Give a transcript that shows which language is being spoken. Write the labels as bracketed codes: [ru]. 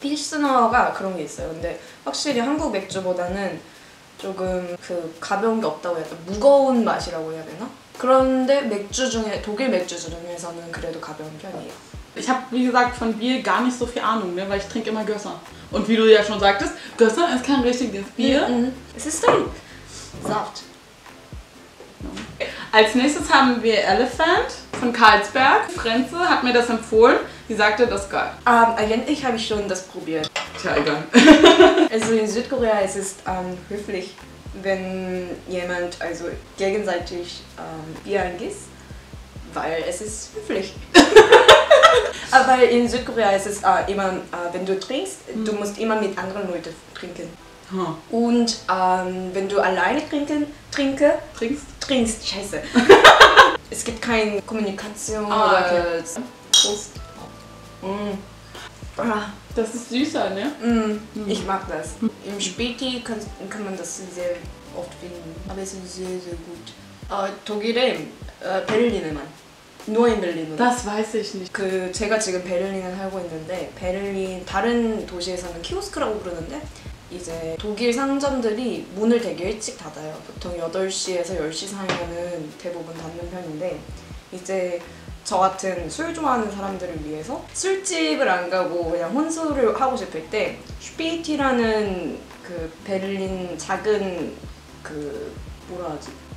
[ko] Pilsner가 그런 게 있어요. 근데 확실히 한국 맥주보다는 조금 그 가벼운 게 없다고 해야 되나? 무거운 맛이라고 해야 되나? 그런데 맥주 중에 독일 맥주 중에서는 그래도 가벼운 편이에요. [de] Ich habe, wie gesagt, von Bier gar nicht so viel Ahnung, ne? Weil ich trinke immer Gösser. Und wie du ja schon sagtest, Gösser ist kein richtiges Bier. Es ist ein Saft. Als nächstes haben wir Elephant von Carlsberg. Frenze hat mir das empfohlen. Sie sagte, das ist geil. Eigentlich habe ich schon das probiert. Tja, egal. Also in Südkorea es ist es höflich, wenn jemand also gegenseitig Bier angießt, weil es ist höflich. Weil in Südkorea ist es immer, wenn du trinkst, du musst immer mit anderen Leuten trinken. Huh. Und wenn du alleine trinkst, scheiße. Es gibt keine Kommunikation oder okay. Prost. Das ist süßer, ne? Ich mag das. Im Späti kann man das sehr oft finden. Aber es ist sehr, sehr gut. Togire, Berlin, Mann. Nur in Berlin. Das weiß ich nicht. [ko] 그 제가 지금 베를린에 살고 있는데 베를린 다른 도시에서는 키오스크라고 부르는데 이제 독일 상점들이 문을 되게 일찍 닫아요. 보통 8시에서 10시 사이면은 대부분 닫는 편인데 이제 저 같은 술 좋아하는 사람들을 위해서 술집을 안 가고 그냥 혼술을 하고 싶을 때 슈피티라는 그 베를린 작은 그 뭐라 하지?